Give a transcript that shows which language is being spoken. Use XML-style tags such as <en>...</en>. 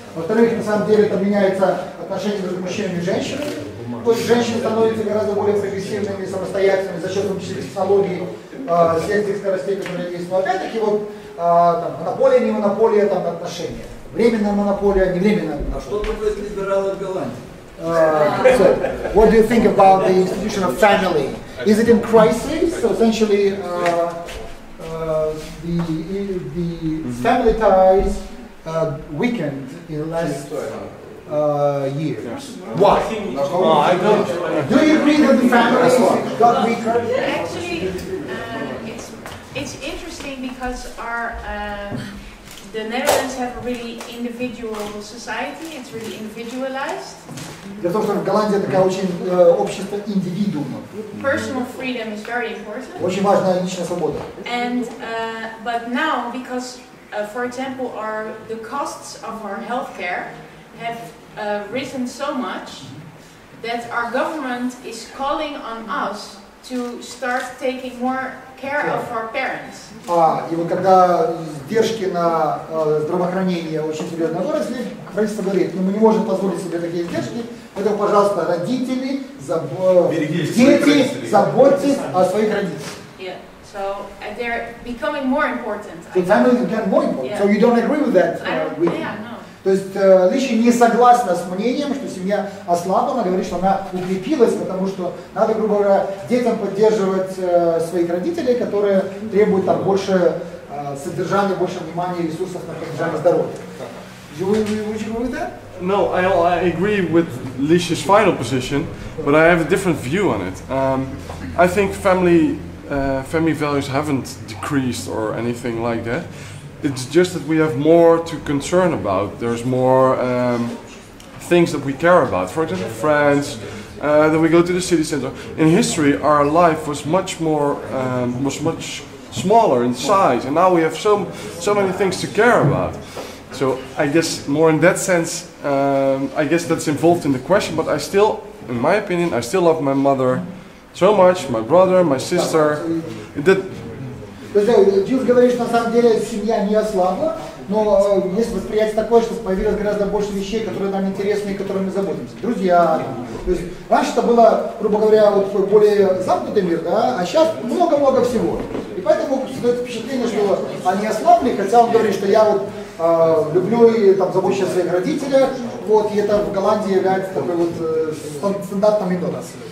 <ru>Во-вторых, на самом деле это меняется отношение между мужчинами и женщинами. То есть женщины становятся гораздо более прогрессивными и самостоятельными за счет технологий сельских скоростей, которые есть. Но опять-таки вот там, монополия, не монополия, там отношения. Временная монополия, не временная монополия. А что такое либералы в Голландии?</ru> <en>So, what do you think about the institution of family? Is it in crisis? So essentially, the family ties weakened in the last... years. Why? No, I don't. Do you agree that the family has got weaker? Actually, it's interesting because our the Netherlands have a really individual society. It's really individualized.</en> <ru>Для того, чтобы Голландия такая очень общество индивидуума.</ru> <en>Personal freedom is very important.</en> <ru>Очень важна личная свобода.</ru> <en>And but now because for example our the costs of our healthcare have risen so much that our government is calling on us to start taking more care of our parents.</en> <ru>А, и вот когда издержки на здравоохранение очень серьезно выросли, правительство говорит, ну мы не можем позволить себе такие издержки, поэтому, пожалуйста, родители, дети, заботьтесь о своих родителях.</ru> <en>So they're becoming more important. The family is getting more important. So you don't agree with that? No.</en> <ru>То есть Лиша не согласна с мнением, что семья ослабла, она говорит, что она укрепилась, потому что надо, грубо говоря, детям поддерживать своих родителей, которые требуют там больше содержания, больше внимания, ресурсов на поддержание здоровья.</ru> <en>You agree with that? No, I agree with Lisha's final position, but I have a different view on it. I think family values haven't decreased or anything like that. It's just that we have more to concern about. There's more things that we care about. For example, France, then we go to the city center. In history, our life was much more, was much smaller in size, and now we have so many things to care about. So I guess more in that sense, I guess that's involved in the question, but I still, in my opinion, I still love my mother so much, my brother, my sister. That,</en> <ru>Дьюс говорит, что на самом деле семья не ослабла, но есть восприятие такое, что появилось гораздо больше вещей, которые нам интересны и которыми мы заботимся. Друзья. То есть раньше это было, грубо говоря, вот такой более замкнутый мир, да, а сейчас много-много всего. И поэтому создается впечатление, что они ослабли, хотя он говорит, что я вот люблю и там забочусь о своих родителях, вот, и это в Голландии является такой вот стандартом методом.</ru>